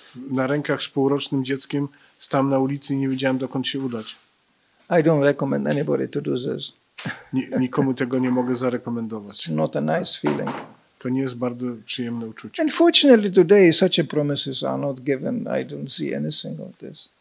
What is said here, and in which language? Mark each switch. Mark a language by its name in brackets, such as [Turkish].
[Polish] Na rękach z półrocznym dzieckiem stałem na ulicy i nie wiedziałem, dokąd się udać. [English] I don't recommend anybody to do this. [Polish] Nikomu tego nie mogę zarekomendować. [English] It's not a nice feeling. [Polish] To nie jest bardzo przyjemne uczucie. [English] Unfortunately today such promises are not given. I don't see anything of this.